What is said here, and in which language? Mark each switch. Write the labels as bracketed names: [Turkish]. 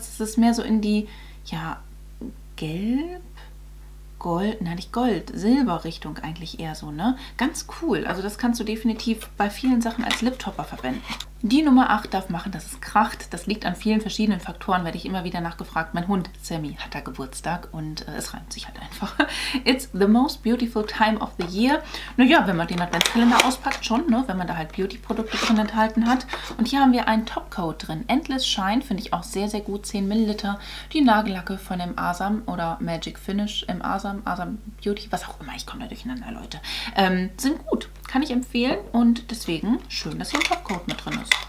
[German] Das ist mehr so in die, gelb, gold, nein, nicht gold, Silberrichtung eigentlich eher so, ne? Ganz cool. Also das kannst du definitiv bei vielen Sachen als Liptopper verwenden. Die Nummer 8 darf machen, dass es kracht. Das liegt an vielen verschiedenen Faktoren, werde ich immer wieder nachgefragt. Mein Hund Sammy hat da Geburtstag und es reimt sich halt einfach. [English] It's the most beautiful time of the year. [German] Naja, wenn man den Adventskalender auspackt schon, ne? Wenn man da halt Beauty-Produkte drin enthalten hat. Und hier haben wir einen Topcoat drin. Endless Shine, finde ich auch sehr, sehr gut. 10 Milliliter. Die Nagellacke von dem Asam oder Magic Finish im Asam, Asam Beauty, was auch immer. Ich komme da durcheinander, Leute. Sind gut. Kann ich empfehlen und deswegen schön, dass hier ein Topcoat mit drin ist.